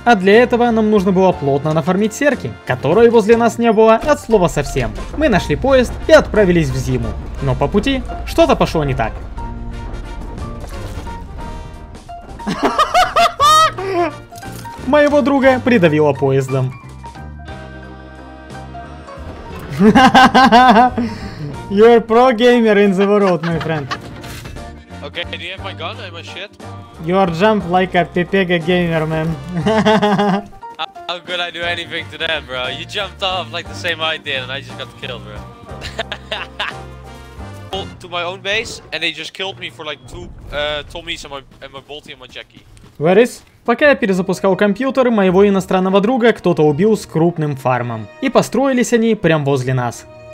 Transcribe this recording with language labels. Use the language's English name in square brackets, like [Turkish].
[Russian] А для этого нам нужно было плотно нафармить серки, которой возле нас не было от слова совсем. Мы нашли поезд и отправились в зиму. Но по пути что-то пошло не так. Моего друга придавило поездом. [English] You're a pro gamer in the world, my friend. Okay, do you have my gun? I have my shit. You are jump like a pepega gamer, man. How could I do anything to that, bro? You jumped off like the same I did and I just got killed, bro. Bolt to my own base and they just killed me for like two Tommies and my Bolty and my Jackie. Where is? [Russian] Пока я перезапускал компьютер, моего иностранного друга кто-то убил с крупным фармом. И построились они прямо возле нас.